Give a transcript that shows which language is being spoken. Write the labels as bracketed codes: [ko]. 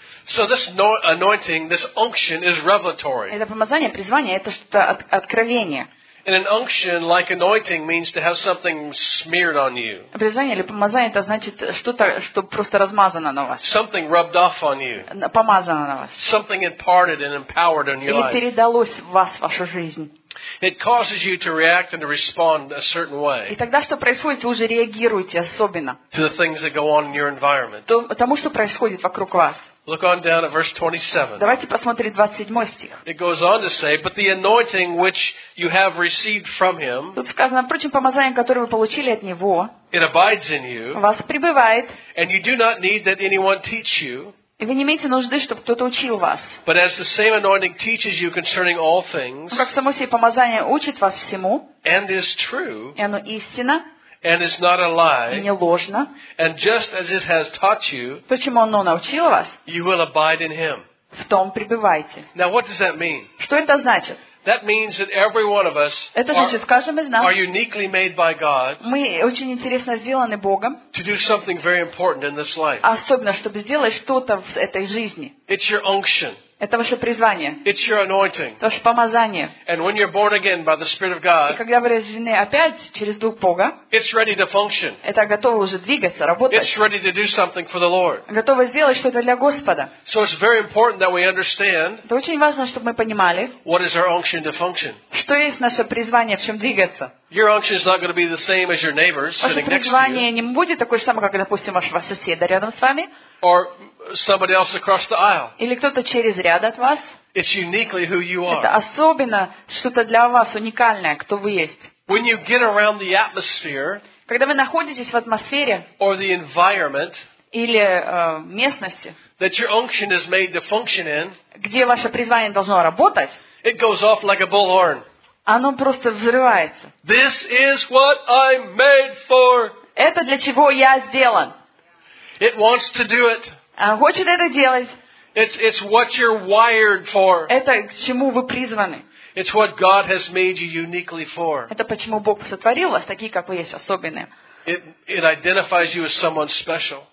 [en] So this anointing, this unction is revelatory. [ru] Это помазание, призвание, это что-то откровение. [en] And an unction, like anointing, means to have something smeared on you. [ru] Обрезание или помазание – это значит что-то, что просто размазано на вас. [en] Something rubbed off on you. [ru] Помазано на вас. [en] Something imparted and empowered on your life. [ru] Или передалось в вас, в вашу жизнь. [en] It causes you to react and to respond a certain way. [ru] И тогда что происходит, вы уже реагируете особенно. [en] To the things that go on in your environment. [ru] Тому, что происходит вокруг вас. [en] Look on down at verse 27. [ru] Давайте посмотрим 27 стих. [en] It goes on to say, but the anointing which you have received from him. [ru] Тут сказано, впрочем, помазание, которое вы получили от него. [en] It abides in you. [ru] Вас пребывает. [en] And you do not need that anyone teach you. [ru] И вы не имеете нужды, чтобы кто-то учил вас. [en] But as the same anointing teaches you concerning all things. [ru] Как само себе помазание учит вас всему. [en] And is true. [ru] И оно истинно. [en] And is not a lie. [ru] И не ложно. [en] And just as it has taught you. [ru] То, чему оно научило вас. [en] You will abide in him. [ru] В том пребывайте. [en] Now what does that mean? [ru] Что это значит? [en] That means that every one of us are uniquely made by God. [ru] Мы очень интересно сделаны Богом. [en] To do something very important in this life. [ru] Особенно чтобы сделать что-то в этой жизни. [en] It's your unction. [ru] Это ваше призвание. [en] It's your anointing. [ru] Это ваше помазание. [en] And when you're born again by the Spirit of God. [ru] И когда вы рождены опять через Дух Бога. [en] It's ready to function. [ru] Это готово уже двигаться, работать. [en] It's ready to do something for the Lord. [ru] Готово сделать что-то для Господа. [en] So it's very important that we understand. [ru] Это очень важно, чтобы мы понимали. [en] What is our unction to function? [ru] Что есть наше призвание, в чем двигаться? [en] Your unction is not going to be the same as your neighbor's sitting next to you. [ru] Ваше призвание не будет такое же самое, как, допустим, вашего соседа рядом с вами. [en] Or somebody else across the aisle. [ru] Или кто-то через ряд от вас. [en] It's uniquely who you are. [ru] Это особенно что-то для вас уникальное, кто вы есть. [en] When you get around the atmosphere, [ru] когда вы находитесь в атмосфере, [en] or the environment, [ru] или местности, [en] that your unction is made to function in, [ru] где ваше призвание должно работать, [en] it goes off like a bullhorn. [ru] Оно просто взрывается. [en] This is what I'm made for. [ru] Это для чего я сделан. [en] It wants to do it. [ru] Оно хочет это делать. [en] It's what you're wired for. [ru] Это к чему вы призваны. [en] It's what God has made you uniquely for. [ru] Это почему Бог сотворил вас такие, как вы есть, особенные. [en] It identifies you as someone special.